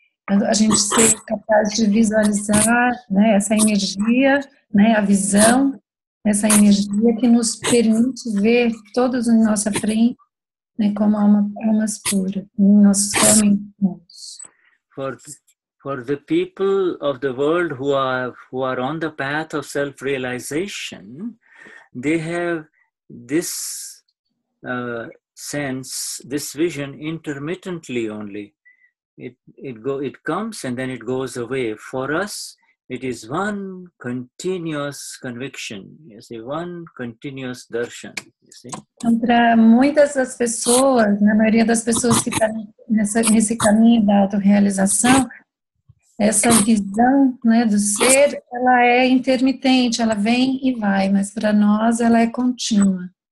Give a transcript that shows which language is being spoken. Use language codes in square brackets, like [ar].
[pt] A gente ser capaz de visualizar, né, essa energia, né, a visão. Essa energia que nos permite ver todos em nossa frente, né, como almas puras, em nossos caminhos. [en] For the people of the world who are on the path of self-realization, they have this sense, this vision intermittently only. It comes and then it goes away. For us, it is one continuous conviction, you see, one continuous darshan, you see. [pt] Para muitas das pessoas, na maioria das pessoas que estão nesse caminho da auto-realização, essa visão, né, do ser, ela é intermitente, ela vem e vai, mas para nós ela é contínua.